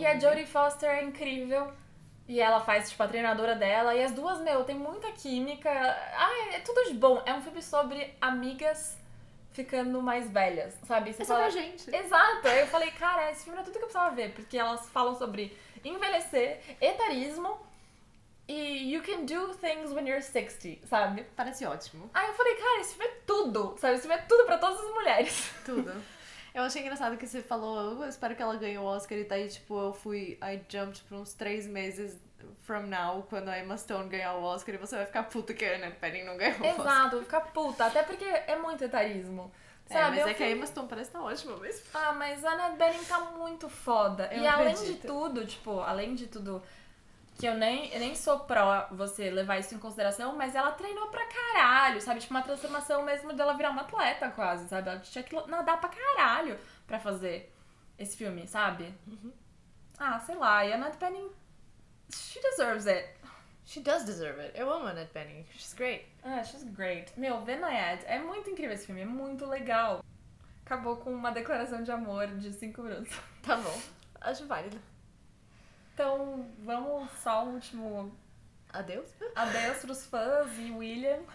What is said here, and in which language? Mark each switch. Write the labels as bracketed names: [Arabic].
[Portuguese] E a Jodie Foster é incrível. E ela faz, tipo, a treinadora dela. E as duas, meu, tem muita química. Ah, é tudo de bom. É um filme sobre amigas ficando mais velhas, sabe? Você é sobre a gente. Exato. Aí eu falei, cara, esse filme é tudo que eu precisava ver. Porque elas falam sobre envelhecer, etarismo... E [English] you can do things when you're 60, [Portuguese] sabe? Parece ótimo. Aí eu falei, cara, esse filme é tudo, sabe? Esse filme é tudo pra todas as mulheres. Tudo. Eu achei engraçado que você falou, eu espero que ela ganhe o Oscar. E daí, tipo, eu fui, [English] I jumped [Portuguese] por uns 3 meses [English] from now, [Portuguese] quando a Emma Stone ganhar o Oscar. E você vai ficar puta que a Annette Bening não ganhou o Oscar. Exato, vou ficar puta. Até porque é muito etarismo. Sabe? É, mas eu fui... que a Emma Stone parece que tá ótima mesmo. Ah, mas a Annette Bening tá muito foda. Eu acredito. Além de tudo, tipo, além de tudo... Que eu nem sou pró você levar isso em consideração, mas ela treinou pra caralho, sabe? Tipo, uma transformação mesmo dela virar uma atleta quase, sabe? Ela tinha que nadar pra caralho pra fazer esse filme, sabe? Uhum. Ah, sei lá. E a [English] Annette Bening, she deserves it. She does deserve it. [Portuguese] Eu amo a Annette Bening. [English] She's great. [Portuguese] Ah, she's great. Meu, vê na Ed. É muito incrível esse filme. É muito legal. Acabou com uma declaração de amor de 5 minutos. Tá bom. Acho válido. Então, vamos só o último... Adeus? Adeus pros fãs e William.